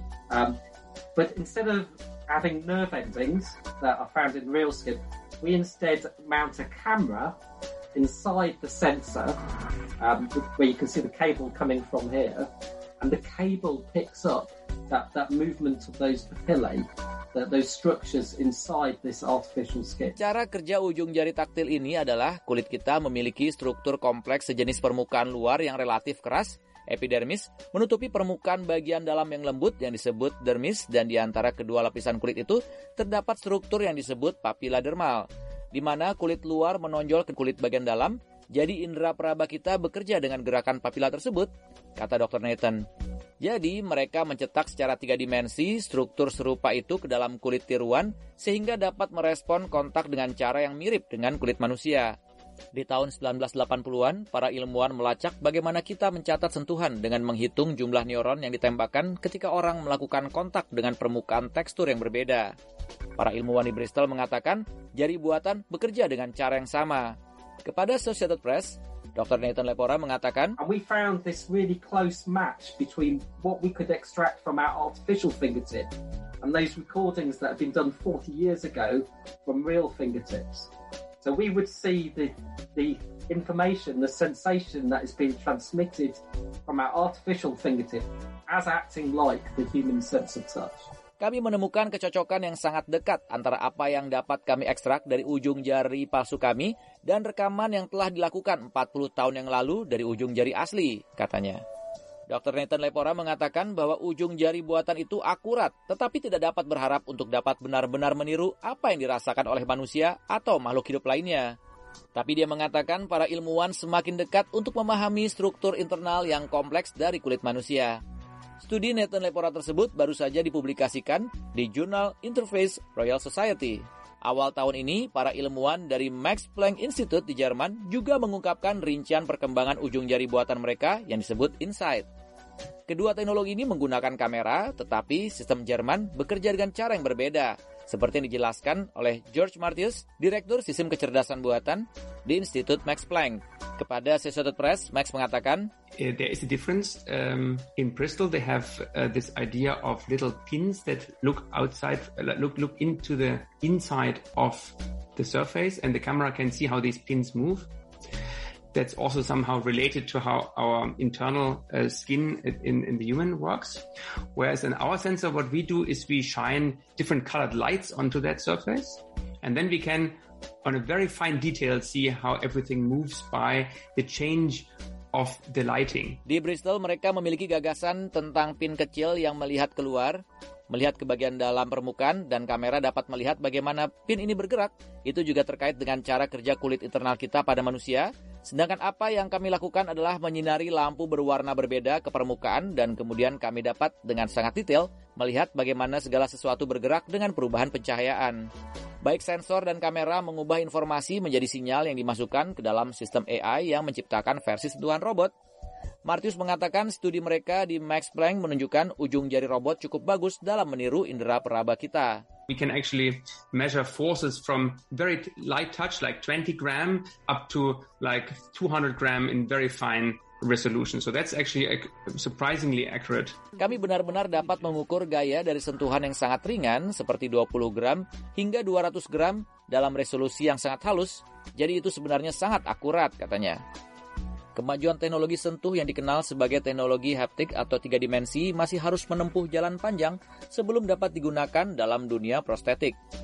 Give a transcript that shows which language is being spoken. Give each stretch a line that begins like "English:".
English: But instead of having nerve endings that are found in real skin, we instead mount a camera inside the sensor, where you can see the cable coming from here, and the cable picks up that movement of those papillae, those structures inside this artificial skin.
Indonesian: Cara kerja ujung jari taktil ini adalah kulit kita memiliki struktur kompleks sejenis permukaan luar yang relatif keras, epidermis, menutupi permukaan bagian dalam yang lembut yang disebut dermis, dan di antara kedua lapisan kulit itu terdapat struktur yang disebut papilla dermal, di mana kulit luar menonjol ke kulit bagian dalam, jadi indera peraba kita bekerja dengan gerakan papilla tersebut, kata Dr. Nathan. Jadi, mereka mencetak secara 3 dimensi struktur serupa itu ke dalam kulit tiruan sehingga dapat merespon kontak dengan cara yang mirip dengan kulit manusia. Di tahun 1980-an, para ilmuwan melacak bagaimana kita mencatat sentuhan dengan menghitung jumlah neuron yang ditembakkan ketika orang melakukan kontak dengan permukaan tekstur yang berbeda. Para ilmuwan di Bristol mengatakan jari buatan bekerja dengan cara yang sama. Kepada Associated Press, Dr. Nathan Lepora mengatakan,
English: and we found this really close match between what we could extract from our artificial fingertip and those recordings that have been done 40 years ago from real fingertips. So we would see the information, the sensation that is being transmitted from our artificial fingertip as acting like the human sense of touch.
Indonesian: Kami menemukan kecocokan yang sangat dekat antara apa yang dapat kami ekstrak dari ujung jari palsu kami dan rekaman yang telah dilakukan 40 tahun yang lalu dari ujung jari asli, katanya. Dr. Nathan Lepora mengatakan bahwa ujung jari buatan itu akurat, tetapi tidak dapat berharap untuk dapat benar-benar meniru apa yang dirasakan oleh manusia atau makhluk hidup lainnya. Tapi dia mengatakan para ilmuwan semakin dekat untuk memahami struktur internal yang kompleks dari kulit manusia. Studi Nathan Lepora tersebut baru saja dipublikasikan di jurnal Interface Royal Society. Awal tahun ini, para ilmuwan dari Max Planck Institute di Jerman juga mengungkapkan rincian perkembangan ujung jari buatan mereka yang disebut InSight. Kedua teknologi ini menggunakan kamera, tetapi sistem Jerman bekerja dengan cara yang berbeda, seperti yang dijelaskan oleh George Martius, Direktur Sistem Kecerdasan Buatan di Institut Max Planck. Kepada Associated Press, Max mengatakan,
English: There is a difference. In Bristol, they have this idea of little pins that look outside, look into the inside of the surface, and the camera can see how these pins move. That's also somehow related to how our internal skin in the human works. Whereas in our sensor, what we do is we shine different colored lights onto that surface, and then we can, on a very fine detail, see how everything moves by the change of the lighting.
Indonesian: Di Bristol, mereka memiliki gagasan tentang pin kecil yang melihat keluar, melihat ke bagian dalam permukaan, dan kamera dapat melihat bagaimana pin ini bergerak. Itu juga terkait dengan cara kerja kulit internal kita pada manusia. Sedangkan apa yang kami lakukan adalah menyinari lampu berwarna berbeda ke permukaan, dan kemudian kami dapat dengan sangat detail melihat bagaimana segala sesuatu bergerak dengan perubahan pencahayaan. Baik sensor dan kamera mengubah informasi menjadi sinyal yang dimasukkan ke dalam sistem AI yang menciptakan versi sentuhan robot. Martius mengatakan studi mereka di Max Planck menunjukkan ujung jari robot cukup bagus dalam meniru indera peraba kita.
English: We can actually measure forces from very light touch, like 20 gram, up to like 200 gram in very fine resolution. So that's actually surprisingly accurate.
Indonesian: Kami benar-benar dapat mengukur gaya dari sentuhan yang sangat ringan, seperti 20 gram hingga 200 gram dalam resolusi yang sangat halus. Jadi itu sebenarnya sangat akurat, katanya. Kemajuan teknologi sentuh yang dikenal sebagai teknologi haptik atau tiga dimensi masih harus menempuh jalan panjang sebelum dapat digunakan dalam dunia prostetik.